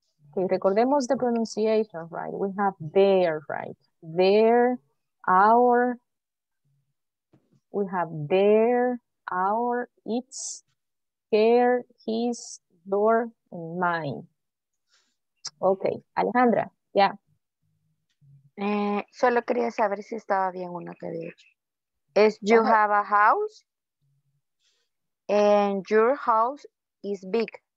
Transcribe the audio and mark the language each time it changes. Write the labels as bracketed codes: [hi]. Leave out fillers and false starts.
[en] Okay, recordemos the pronunciation, right? We have their, right? their, our. We have their, our, its, their, his, your, and mine. Okay, Alejandra, yeah. [es] Solo quería saber si estaba bien una que había hecho. [en] Is you have a house and your house is big.